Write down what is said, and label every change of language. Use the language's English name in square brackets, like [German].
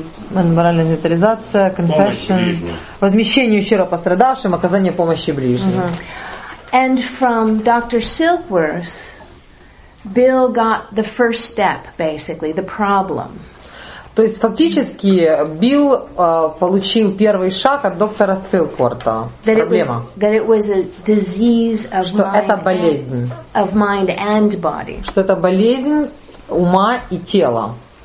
[Russian] Моральная инвентаризация, confession, возмещение ущерба пострадавшим, оказание помощи ближним. [English] And from Dr. Silkworth, Bill got the first step, basically, the problem. [Russian] То есть фактически Билл получил первый шаг от доктора Силкворта. Проблема. [English] That it was a disease of [Russian] что [English] mind. [Russian] Это болезнь. [English] Of mind and body. [Russian] Что это болезнь ума и тела.